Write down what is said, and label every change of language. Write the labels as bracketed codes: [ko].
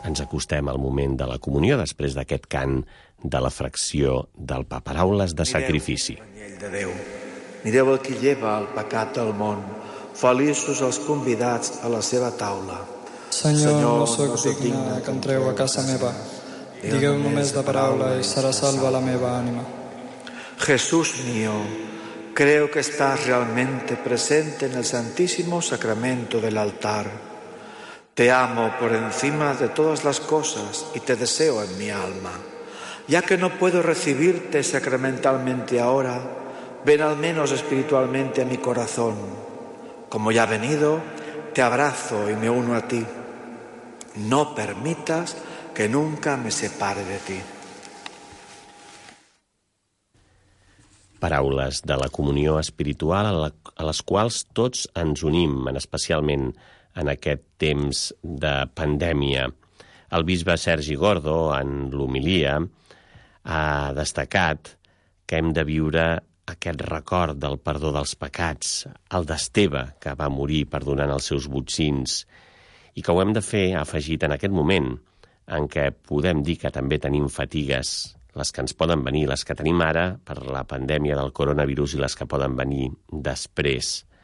[ca] acostem al moment de la comunió després d'aquest cant de la fracció del pa, paraules de sacrifici. Mireu el qui lleva el pecat del món. Feliços els convidats a la seva taula. Senyor, no sóc digne que entreu a casa meva. Digueu només de paraula i serà salva la meva ànima. [es] Jesús mío, creo que estás realmente presente en el Santísimo Sacramento del altar. Te amo por encima de todas las cosas y te deseo en mi alma. Ya que no puedo recibirte sacramentalmente ahora, ven al menos espiritualmente a mi corazón. Como ya he venido, te abrazo y me uno a ti. No permitas que nunca me separe de ti. [ca] Paraules de la comunió espiritual a les quals tots ens unim, especialment en aquest temps de pandèmia. El bisbe Sergi Gordo, en l'homilia, ha destacat que hem de viure aquest record del perdó dels pecats, el d'Esteve, que va morir perdonant els seus botxins, i que ho hem de fer, ha afegit, en aquest moment en què podem dir que també tenim fatigues, les que ens poden venir, les que tenim ara per la pandèmia del coronavirus i les que poden venir després.